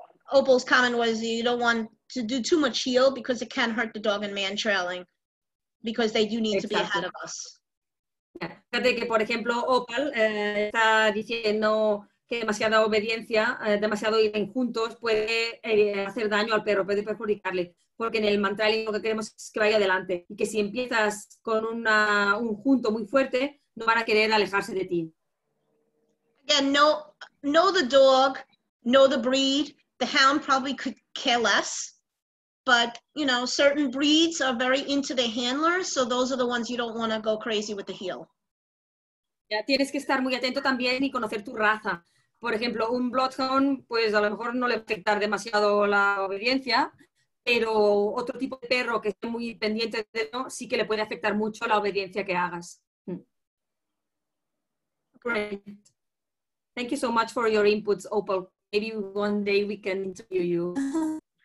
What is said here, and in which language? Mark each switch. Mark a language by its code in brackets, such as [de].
[en] Opal's comment was you don't want to do too much heel because it can hurt the dog in man trailing. Because they do need exactly. to be ahead of us. [es] Fíjate que, por ejemplo, Opal está diciendo que demasiada obediencia, demasiado ir en juntos, puede hacer daño al perro, puede perjudicarle. Porque en el mantrailing lo que queremos es que vaya adelante. Y que si empiezas con un junto muy fuerte, no van a querer alejarse de ti. [en] Again, know the dog, know the breed. The hound probably could care less. But, you know, certain breeds are very into the handler, so those are the ones you don't want to go crazy with the heel. [es] Yeah, tienes que estar muy atento también y conocer tu raza. Por ejemplo, un bloodhound, pues a lo mejor no le va a afectar demasiado la obediencia, pero otro tipo de perro que esté muy pendiente de él, sí que le puede afectar mucho la obediencia que hagas. [en] Great. Thank you so much for your inputs, Opal. Maybe one day we can interview you.